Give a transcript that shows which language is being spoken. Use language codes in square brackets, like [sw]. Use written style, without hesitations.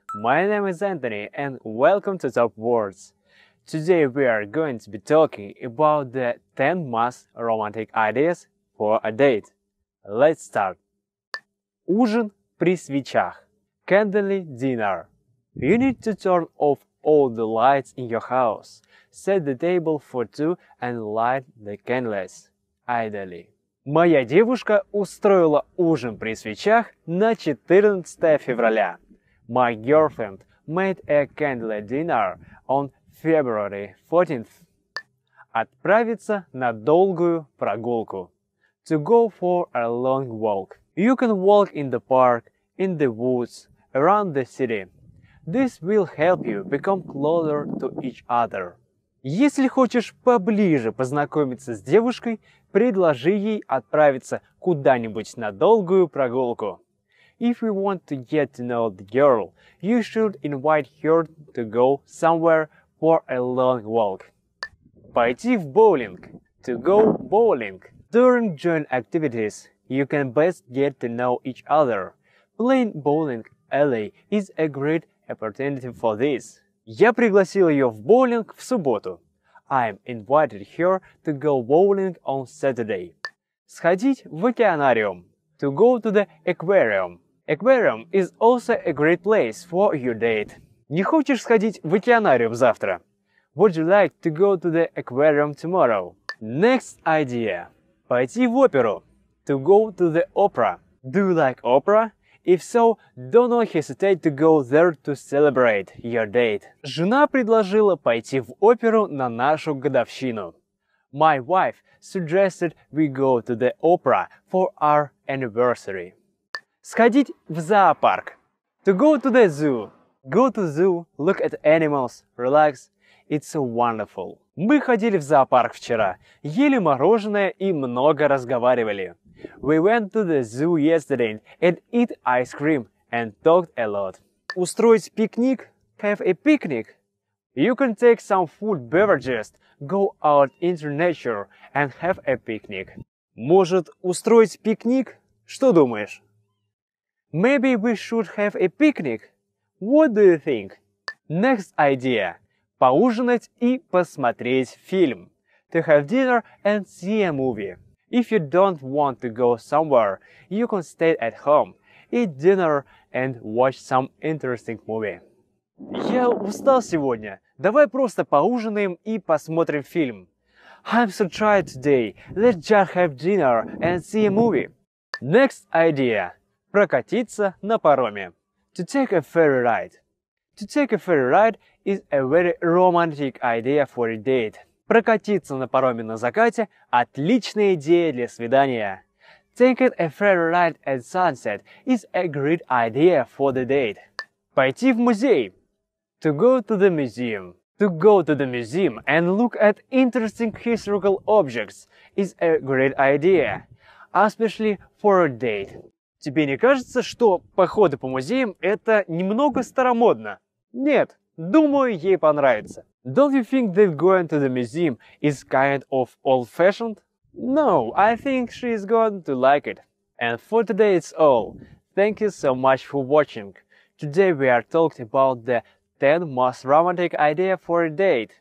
[en] My name is Anthony, and welcome to Top Words. Today, we are going to be talking about the 10 most romantic ideas for a date. Let's start. [ru] Ужин при свечах. [en] Candle dinner. You need to turn off all the lights in your house. Set the table for two and light the candles. Ideally. [ru] Моя девушка устроила ужин при свечах на 14 февраля. [en] My girlfriend made a candle dinner on February 14th. [ru] Отправиться на долгую прогулку. [en] To go for a long walk. You can walk in the park, in the woods, around the city. This will help you become closer to each other. [ru] Если хочешь поближе познакомиться с девушкой, предложи ей отправиться куда-нибудь на долгую прогулку. [en] If you want to get to know the girl, you should invite her to go somewhere for a long walk. [ru] Пойти в боулинг. [en] To go bowling. During joint activities, you can best get to know each other. Playing bowling alley is a great opportunity for this. [ru] Я пригласил ее в боулинг в субботу. [en] I'm invited her to go bowling on Saturday. [ru] Сходить в океанариум. [en] To go to the aquarium. Aquarium is also a great place for your date. [ru] Не хочешь сходить в океанариум завтра? [en] Would you like to go to the aquarium tomorrow? Next idea. [ru] Пойти в оперу. [en] To go to the opera. Do you like opera? If so, do not hesitate to go there to celebrate your date. [ru] Жена предложила пойти в оперу на нашу годовщину. [en] My wife suggested we go to the opera for our anniversary. [ru] Сходить в зоопарк. [en] To go to the zoo. Go to zoo, look at animals, relax. It's so wonderful. [ru] Мы ходили в зоопарк вчера, ели мороженое и много разговаривали. [en] We went to the zoo yesterday and eat ice cream and talked a lot. [ru] Устроить пикник? [en] Have a picnic? You can take some food beverages, go out into nature and have a picnic. [ru] Может, устроить пикник? Что думаешь? [en] Maybe we should have a picnic. What do you think? Next idea. [ru] Поужинать и посмотреть фильм. [en] To have dinner and see a movie. If you don't want to go somewhere, you can stay at home, eat dinner and watch some interesting movie. [ru] Я устал сегодня. Давай просто поужинаем и посмотрим фильм. [en] I'm so tired today. Let's just have dinner and see a movie. Next idea. [ru] Прокатиться на пароме. [en] To take a ferry ride. To take a ferry ride is a very romantic idea for a date. [ru] Прокатиться на пароме на закате – отличная идея для свидания. [en] Taking a ferry ride at sunset is a great idea for the date. [ru] Пойти в музей. [en] To go to the museum. To go to the museum and look at interesting historical objects is a great idea, especially for a date. [ru] Тебе не кажется, что походы по музеям – это немного старомодно? Нет, думаю, ей понравится. [en] Don't you think that going to the museum is kind of old-fashioned? No, I think she is going to like it. And for today it's all. Thank you so much for watching. Today we are talking about the 10 most romantic ideas for a date.